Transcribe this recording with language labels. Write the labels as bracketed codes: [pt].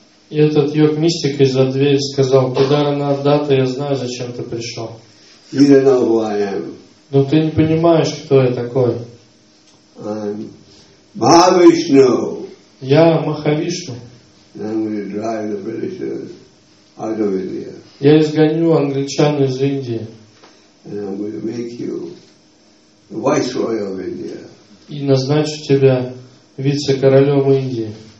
[ru] И этот йог мистик из-за двери сказал: Кедарнандата, я знаю, зачем ты пришел. [en] You don't know who I am. [ru] Но ты не понимаешь, кто я такой. [en] I'm Mahavishnu. [ru] Я Махавишну. [en] And I'm going to drive the Britishers out of India. [ru] Я изгоню англичан из Индии. [en] And I'm going to make you the viceroy of India. [ru] И назначу тебя вице-королем Индии.